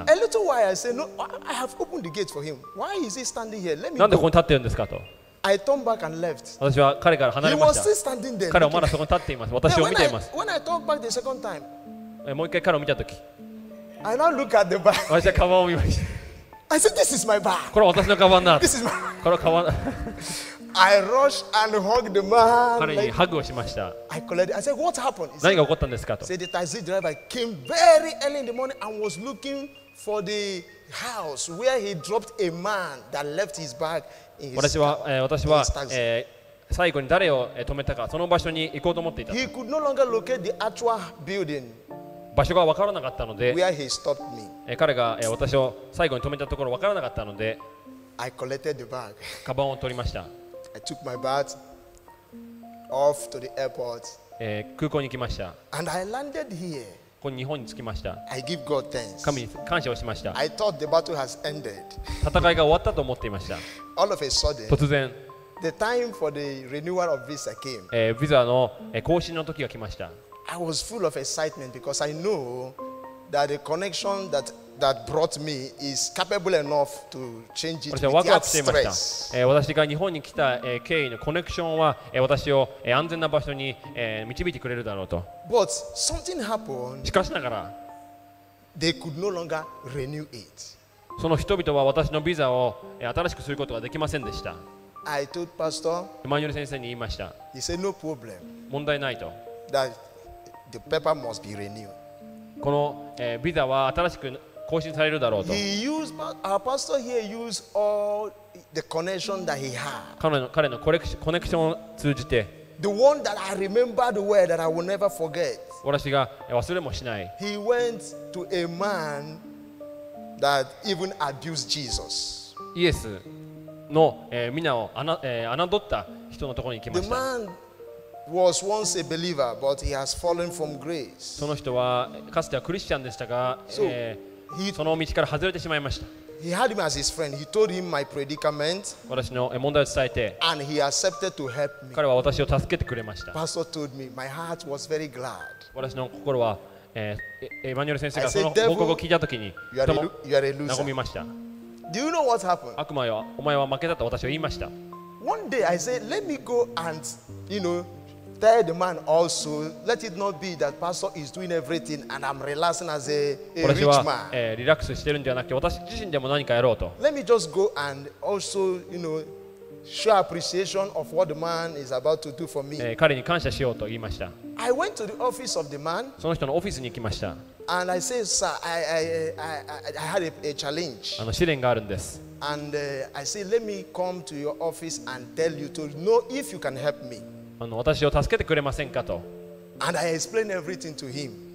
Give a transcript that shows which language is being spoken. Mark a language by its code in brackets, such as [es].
[en] A little while, I said, "No, I have opened the gate for him. Why is he standing here? Let me." [ja] なんでここに立っているんですかと。 [en] I turned back and left. [ja] 私は彼から離れました。 [en] He was still standing there. [ja] 彼はまだそこに立っています。私を見ています。 [en] When I turned back the second time, [ja] もう一回彼を見たとき、 [en] I now look at the bag. [ja] 私はカバンを見ました。 [en] I said, "This is my bag." [ja] これは私のカバンだ。 [en] This is my. [ja] これはカバン。 [en] I rushed and hugged the man. [ja] 彼にハグをしました。 [en] I collected. I said, "What happened?" [ja] 何が起こったんですかと。 [en] Said the taxi driver came very early in the morning and was looking for the house where he dropped a man that left his bag [ja] 私は、最後に誰を止めたか、その場所に行こうと思っていた。 [en] He could no longer locate the actual building. [ja] 場所が分からなかったので、 [en] where he stopped me. [ja] 彼が私を最後に止めたところ分からなかったので、 [en] I collected the bag. [ja] カバンを取りました。 [en] I took my bag off to the airport. [ja] 空港に来ました。 [en] And I landed here. [ja] ここに日本に着きました。 [en] I give God thanks. [ja] 神に感謝をしました。 [en] I thought the battle has ended. [ja] 戦いが終わったと思っていました。 [en] All of a sudden, [ja] 突然、 [en] the time for the renewal of visa came. [ja] ビザの更新の時が来ました。 [en] I was full of excitement because I know that the connection that brought me is capable enough to change it without stress. [ja] 私が日本に来た経緯のコネクションは私を安全な場所に導いてくれるだろうと。 [en] But something happened. [ja] しかしながら、 [en] they could no longer renew it. [ja] その人々は私のビザを新しくすることができませんでした。 [en] I told Pastor. [ja] エマニュエル先生に言いました。 [en] He said no problem. [ja] 問題ないと。 [en] That the paper must be renewed. [ja] この、ビザは新しく更新されるだろうと。 [en] Our pastor here used all the connection that he had. [ja] 彼のコネクションを通じて。 [en] The one that I remember the word that I will never forget. [ja] 私が忘れもしない。 [en] He went to a man that even abused Jesus. [ja] イエスの皆を侮った人のところに行きました。 [en] Was once a believer, but he has fallen from grace. [ja] その人はかつてはクリスチャンでしたが、その道から外れてしまいました。 [en] He had him as his friend. He told him my predicament. [ja] 私の問題を伝えて、 [en] and he accepted to help me. [ja] 彼は私を助けてくれました。 [en] Pastor told me my heart was very glad. [ja] 私の心は、エマニュエル先生がその報告を聞いたときに、和みました。 [en] Do you know what happened? [ja] 悪魔よ、お前は負けたと私は言いました。 [en] One day I said, let me go and, you know. Tell the man also, let it not be that pastor is doing everything and I'm relaxing as a rich man. [ja] 私は、リラックスしてるんじゃなくて、私自身でも何かやろうと。 [en] Let me just go and also, you know, show appreciation of what the man is about to do for me. [ja] 彼に感謝しようと言いました。 [en] I went to the office of the man. [ja] その人のオフィスに行きました。 [en] And I said, sir, I had a challenge. [ja] 試練があるんです。 [en] And I said, let me come to your office and tell you to know if you can help me. [ja] 私を助けてくれませんかと。 [en] And I explained everything to him.